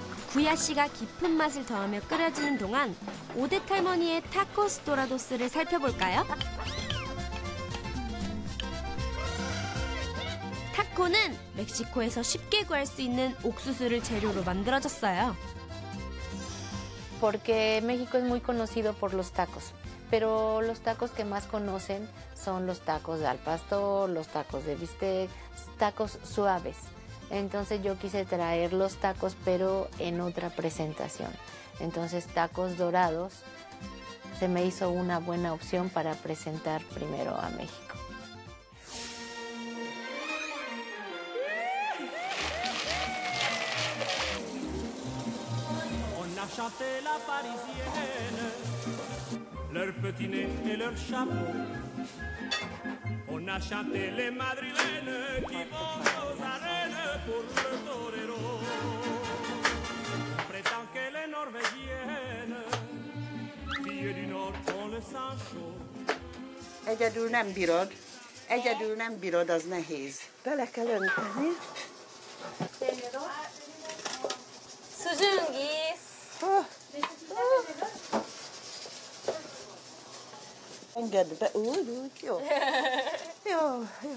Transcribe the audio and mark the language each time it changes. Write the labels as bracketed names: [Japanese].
[Korean] 구야 씨가 깊은 맛을 더하며 끓여지는 동안 오뎃 할머니의 타코스 도라도스를 살펴볼까요? 타코는 멕시코에서 쉽게 구할 수 있는 옥수수를 재료로 만들어졌어요. [Spanish] Porque México es muy conocido por los tacos, pero los tacos que más conocen son los tacos al pastor, los tacos de bistec, tacos suaves. Entonces yo quise traer los tacos, pero en otra presentación. Entonces tacos dorados se me hizo una buena opción para presentar primero a México. [French] On a chanté la parisienne, leur petit nez et leur chapeau. On a chanté les madrilènes qui vont aux arènes pour le torero. Prétend que les norvégiennes, filles du nord, ont le sang chaud. [Hungarian] Egyedül nem bírod. Egyedül nem bírod, az nehéz. Bele kell önteni. Szüzsüngész. Engedd be, úgy, jó. Jó.